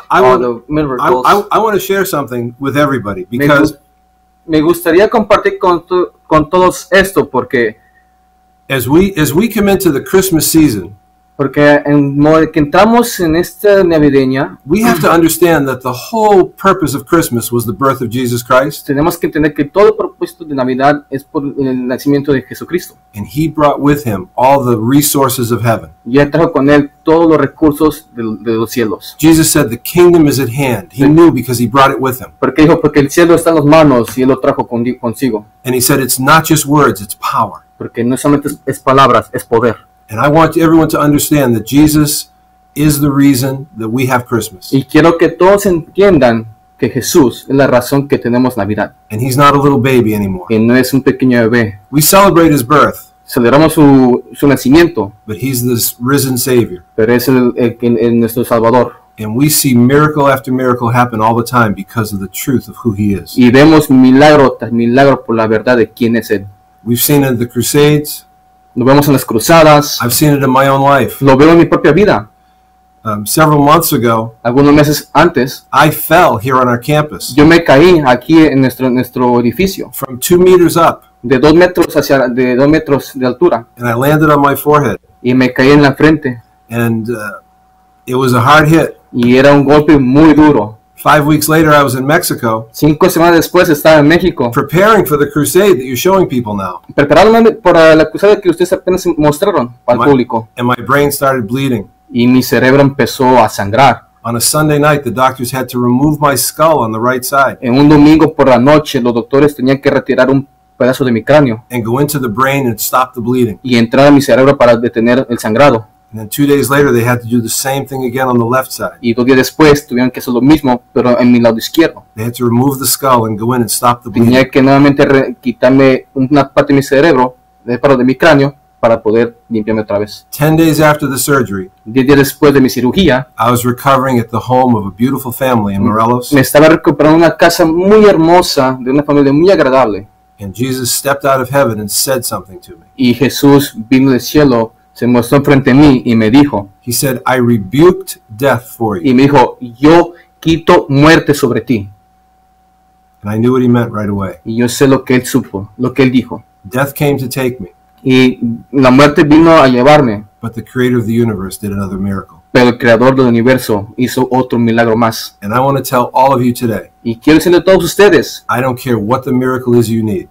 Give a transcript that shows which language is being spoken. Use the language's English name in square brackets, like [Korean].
[English] I want to share something with everybody because [Spanish] me gustaría compartir con todos esto porque [English] as we come into the Christmas season, [Spanish] porque en que entramos en esta navideña, [English] we have to understand that the whole purpose of Christmas was the birth of Jesus Christ. [Spanish] Tenemos que entender que todo el propósito de Navidad es por el nacimiento de Jesucristo. [English] And he brought with him all the resources of heaven. [Spanish] Y él trajo con él todos los recursos de los cielos. [English] Jesus said the kingdom is at hand. He knew because he brought it with him. [Spanish] Porque dijo porque el cielo está en las manos y él lo trajo consigo. [English] And he said it's not just words, it's power. [Spanish] Porque no solamente es palabras, es poder. [English] And I want everyone to understand that Jesus is the reason that we have Christmas. [Spanish] Y quiero que todos entiendan que Jesús es la razón que tenemos Navidad. [English] And he's not a little baby anymore. [Spanish] Y no es un pequeño bebé. [English] We celebrate his birth. [Spanish] Celebramos su nacimiento. [English] But he's the risen Savior. [Spanish] Pero es el nuestro Salvador. [English] And we see miracle after miracle happen all the time because of the truth of who he is. [Spanish] Y vemos milagro tras milagro por la verdad de quién es él. [English] We've seen it in the Crusades. [Spanish] Lo vemos en las cruzadas. [English] I've seen it in my own life. [Spanish] Lo veo en mi propia vida. [English] Several months ago, [Spanish] algunos meses antes, [English] I fell here on our campus. [Spanish] Yo me caí aquí en nuestro edificio. [English] From 2 meters up. [Spanish] De 2 metros de 2 metros de altura. [English] And I landed on my forehead. [Spanish] Y me caí en la frente. [English] And it was a hard hit. [Spanish] Y era un golpe muy duro. [English] 5 weeks later, I was in Mexico. [Spanish] 5 semanas después estaba en México. [English] Preparing for the crusade that you're showing people now. [Spanish] Preparándome para la cruzada que ustedes apenas mostraron al público. [English] And my brain started bleeding. [Spanish] Y mi cerebro empezó a sangrar. [English] On a Sunday night, the doctors had to remove my skull on the right side. [Spanish] En un domingo por la noche, los doctores tenían que retirar un pedazo de mi cráneo. [English] And go into the brain and stop the bleeding. [Spanish] Y entrar a mi cerebro para detener el sangrado. [English] And then 2 days later, they had to do the same thing again on the left side. [Spanish] Y 2 días después tuvieron que hacer lo mismo, pero en mi lado izquierdo. [English] They had to remove the skull and go in and stop the bleeding. [Spanish] Tenía que nuevamente quitarme una parte de mi cerebro, de mi cráneo, para poder limpiarme otra vez. [English] 10 days after the surgery, [Spanish] 10 días después de mi cirugía, [English] I was recovering at the home of a beautiful family in Morelos. [Spanish] Me estaba recuperando una casa muy hermosa de una familia muy agradable. [English] And Jesus stepped out of heaven and said something to me. [Spanish] Y Jesús vino del cielo. Se mostró frente a mí y me dijo. [English] He said, I rebuked death for you. [Spanish] Y me dijo, yo quito muerte sobre ti. [English] And I knew what he meant right away. [Spanish] Y yo sé lo que él supo, lo que él dijo. [English] Death came to take me. [Spanish] Y la muerte vino a llevarme. [English] But the creator of the universe did another miracle. [Spanish] Pero el creador del universo hizo otro milagro más. [English] And I want to tell all of you today. [Spanish] Y quiero decirle a todos ustedes. [English] I don't care what the miracle is you need.